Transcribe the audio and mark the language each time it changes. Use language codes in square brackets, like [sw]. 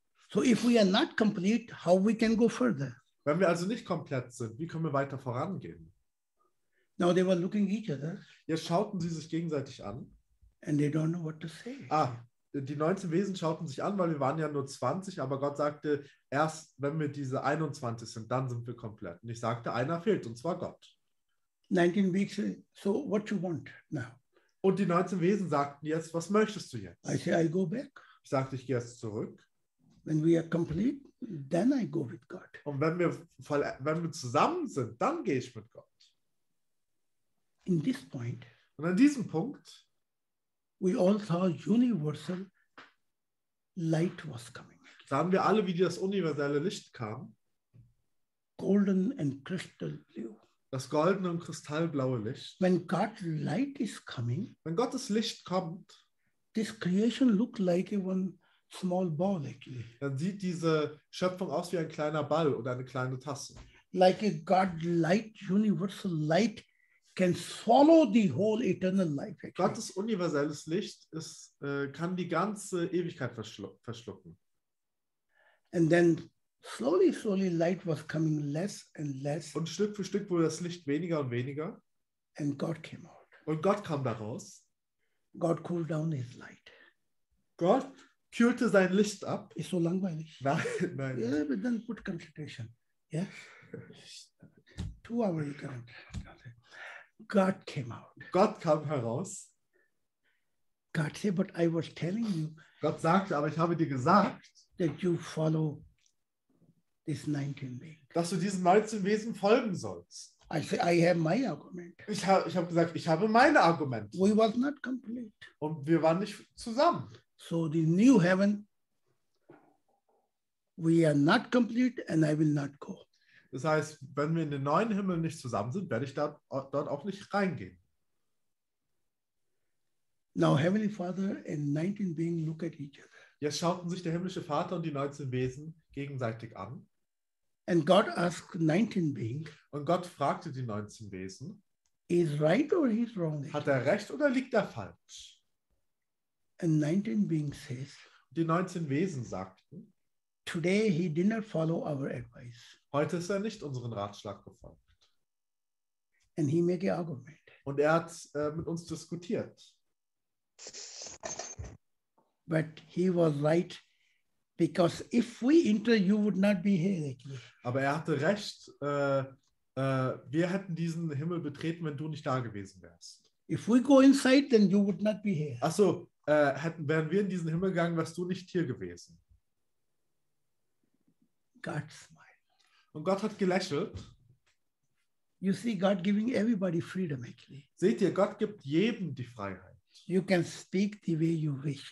[en] So if we are not complete, how we can go further? [de] Wenn wir also nicht komplett sind, wie können wir weiter vorangehen? [en] Now they were looking each other. [de] Jetzt schauten sie sich gegenseitig an. [en] And they don't know what to say. Ah. [de] Die 19 Wesen schauten sich an, weil wir waren ja nur 20, aber Gott sagte, erst wenn wir diese 21 sind, dann sind wir komplett. Und ich sagte, einer fehlt, und zwar Gott. [en] 19 weeks, so what you want now? [de] Und die 19 Wesen sagten jetzt, was möchtest du jetzt? [en] I say, I go back. [de] Ich sagte, ich gehe jetzt zurück. [en] When we are complete, then I go with God. [de] Und wenn wir zusammen sind, dann gehe ich mit Gott. [en] In this point, [de] und an diesem Punkt, [en] we all saw universal light was coming. [de] Sahen wir alle, wie das universelle Licht kam. [en] Golden and crystal blue. [de] Das goldene und kristallblaue Licht. [en] When God's light is coming, [de] wenn Gottes Licht kommt, [en] this creation looked like a one small ball actually. [de] Dann sieht diese Schöpfung aus wie ein kleiner Ball oder eine kleine Tasse. [en] Like a God's light, universal light. Can follow the whole eternal life. Actually. [de] Gottes universelles Licht ist, kann die ganze Ewigkeit verschlucken. [en] And then slowly, slowly, light was coming less and less. [de] Und Stück für Stück wurde das Licht weniger und weniger. [en] And God came out. [de] Und Gott kam daraus. [en] God cooled down his light. [de] Gott kühlte sein Licht ab. Ist so langweilig. Nein. [en] Yeah, but then put concentration. Yes. Yeah? 2 hours you can't. God came out. [de] Gott kam heraus. [en] God said, but I was telling you. [de] Gott sagte, aber ich habe dir gesagt, [en] that you follow this 19 being. [de] Dass du diesen 19 Wesen folgen sollst. [en] I say, I have my argument. [de] Ich habe gesagt, ich habe meine Argumente. [en] We was not complete. [de] Und wir waren nicht zusammen. [en] So the new heaven, we are not complete and I will not go. [de] Das heißt, wenn wir in den neuen Himmel nicht zusammen sind, werde ich dort auch nicht reingehen. [en] Now Heavenly Father and 19 beings look at each other. [de] Jetzt schauten sich der himmlische Vater und die 19 Wesen gegenseitig an. [en] And God asked 19 beings. [de] Und Gott fragte die 19 Wesen. [en] Is right or he's wrong? [de] Hat er recht oder liegt er falsch? [en] And 19 beings says. [de] Die 19 Wesen sagten. [en] Today he did not follow our advice. [de] Heute ist er nicht unseren Ratschlag gefolgt. [en] And he made the argument. [de] Und er hat mit uns diskutiert. [en] But he was right, because if we enter, you would not be here. [de] Aber er hatte recht. Wir hätten diesen Himmel betreten, wenn du nicht da gewesen wärst. [en] If we go inside, then you would not be here. [de] Ach so, wären wir in diesen Himmel gegangen, wärst du nicht hier gewesen. [en] God smiled. [de] Und Gott hat gelächelt. [en] You see, God giving everybody freedom, actually. [de] Seht ihr, Gott gibt jedem die Freiheit. [en] You can speak the way you wish.